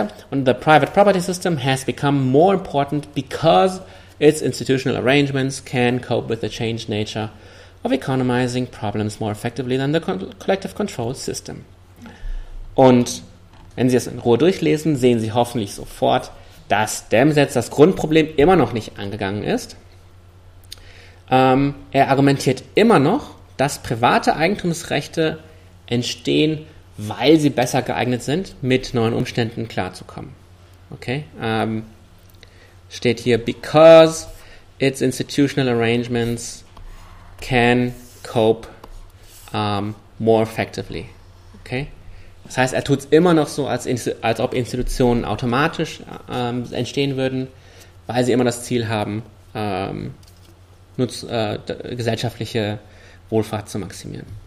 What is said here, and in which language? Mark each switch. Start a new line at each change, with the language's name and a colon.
English: And the private property system has become more important because its institutional arrangements can cope with the changed nature of economizing problems more effectively than the collective control system.
German: Und wenn Sie es in Ruhe durchlesen, sehen Sie hoffentlich sofort, dass Demsetz das Grundproblem immer noch nicht angegangen ist. Er argumentiert immer noch, dass private Eigentumsrechte entstehen, weil sie besser geeignet sind, mit neuen Umständen klarzukommen. Okay? Steht hier,
English: because its institutional arrangements can cope more effectively.
German: Okay? Das heißt, er tut es immer noch so, als ob Institutionen automatisch entstehen würden, weil sie immer das Ziel haben, gesellschaftliche Wohlfahrt zu maximieren.